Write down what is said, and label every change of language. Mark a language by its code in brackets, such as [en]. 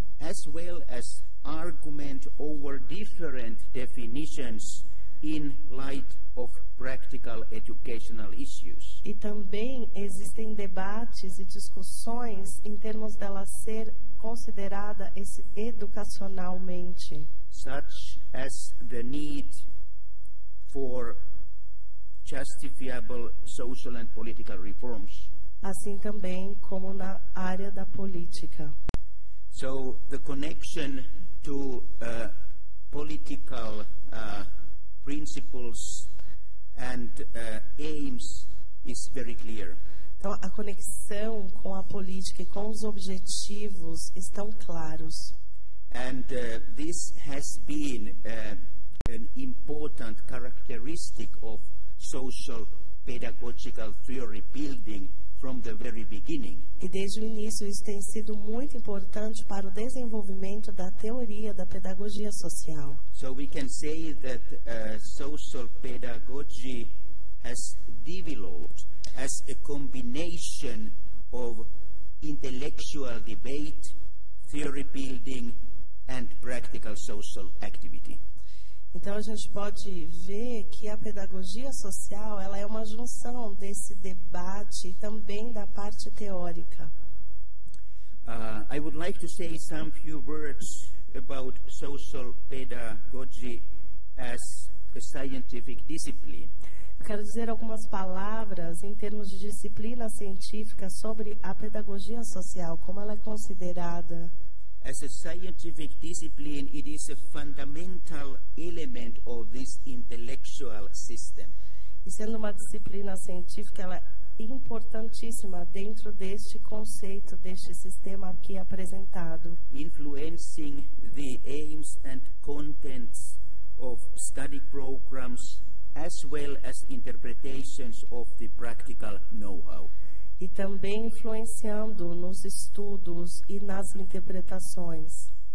[en] As well as argument over different definitions in light of practical educational issues. [pt] E também existem debates e discussões em termos dela ser considerada educacionalmente. [en] Such as the need for justifiable social and political reforms. [pt] Assim também como na área da política. [en] So the connection to political principles and aims is very clear. [pt] Então, a conexão com a política e com os objetivos estão claros. [en] And this has been an important characteristic of social pedagogical theory building from the very beginning. [pt] E desde o início isso tem sido muito importante para o desenvolvimento da teoria da pedagogia social. [en] So we can say that social pedagogy has developed as a combination of intellectual debate, theory building and practical social activity. [pt] Então a gente pode ver que a pedagogia social, ela é uma junção desse debate e também da parte teórica. [en] I would like to say some few words about social pedagogy as scientific discipline. [pt] Eu quero dizer algumas palavras em termos de disciplina científica sobre a pedagogia social, como ela é considerada. [en] As a scientific discipline, it is a fundamental element of this intellectual system. [pt] E sendo uma disciplina científica, ela é importantíssima dentro deste conceito, deste sistema aqui apresentado. [en] Influencing the aims and contents of study programs, as well as interpretations of the practical know-how. [pt] E também influenciando nos estudos e nas interpretações.